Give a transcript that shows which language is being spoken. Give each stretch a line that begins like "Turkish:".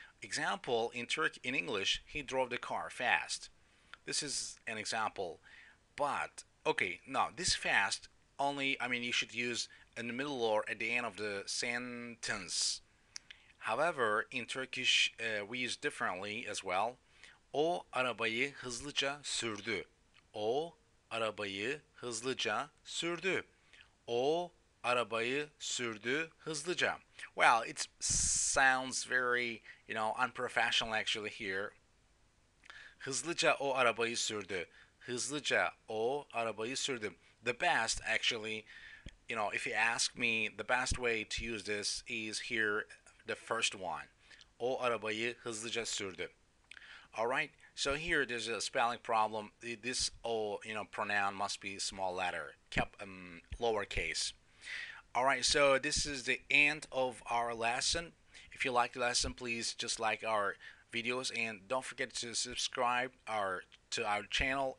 English: Example, in Turkish, in English, he drove the car fast. This is an example. But, okay, now, this fast, only, I mean, you should use in the middle or at the end of the sentence. However, in Turkish, we use differently as well.
Turkish: O arabayı hızlıca sürdü. O arabayı hızlıca sürdü. O arabayı sürdü hızlıca.
English: Well, it sounds very, you know, unprofessional actually here.
Turkish: Hızlıca o arabayı sürdü. Hızlıca o arabayı sürdü.
English: The best actually, you know, if you ask me, the best way to use this is here, the first one.
Turkish: O arabayı hızlıca sürdü.
English: All right. So here there's a spelling problem. This O, you know, pronoun must be small letter, lowercase. All right, so this is the end of our lesson. If you like the lesson, please just like our videos and don't forget to subscribe to our channel.